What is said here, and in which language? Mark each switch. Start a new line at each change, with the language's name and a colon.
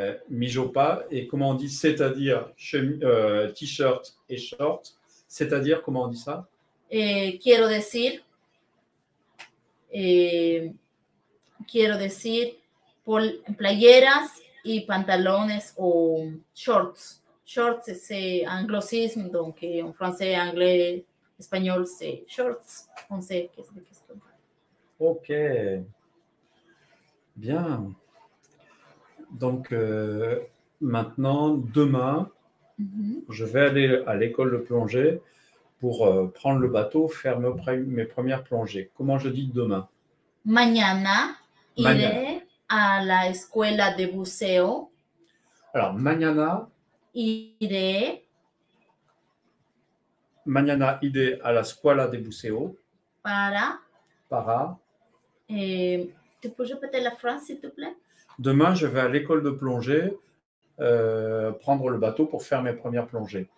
Spanish: Mi ropa,
French: et comment on dit, c'est-à-dire t-shirt et short, c'est-à-dire, comment on dit ça?
Spanish: Quiero decir, quiero decir playeras y pantalones o shorts. Shorts es anglosismo, donc en francés, anglais, español,
French: c'est shorts. On sait
Spanish: qué es lo que es.
French: Ok. Bien. Donc, maintenant, demain, je vais aller à l'école de plongée pour prendre le bateau, faire mes premières plongées. Comment je dis demain?
Spanish: Mañana, iré a la escuela de buceo. Alors, mañana. Iré. Mañana, iré a la escuela de buceo. Para. Para.
French: Tu peux répéter la phrase, s'il te plaît? Demain, je vais à l'école de plongée prendre le bateau pour faire mes premières plongées.